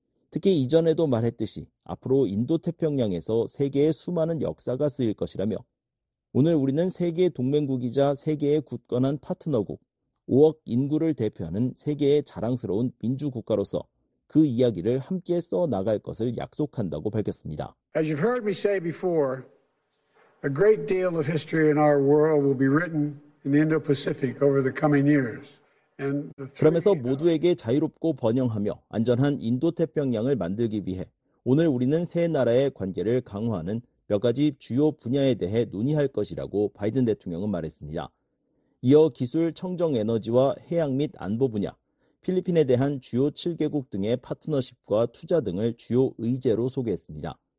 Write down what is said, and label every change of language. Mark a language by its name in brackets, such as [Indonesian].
[Korean] 특히 이전에도 말했듯이 앞으로 인도태평양에서 세계의 수많은 역사가 쓰일 것이라며 오늘 우리는 세계 동맹국이자 세계의 굳건한 파트너국, 5억 인구를 대표하는 세계의 자랑스러운 민주국가로서 그 이야기를 함께 써나갈 것을 약속한다고 밝혔습니다. [English] As you've heard me say before, a great deal of history in our world will be written in the Indo-Pacific over the coming years. [Korean] 그러면서 모두에게 자유롭고 번영하며 안전한 인도태평양을 만들기 위해 오늘 우리는 세 나라의 관계를 강화하는 몇 가지 주요 분야에 대해 논의할 것이라고 바이든 대통령은 말했습니다. 이어 기술, 청정 에너지와 해양 및 안보 분야, 필리핀에 대한 주요 7개국 등의 파트너십과 투자 등을 주요 의제로 소개했습니다.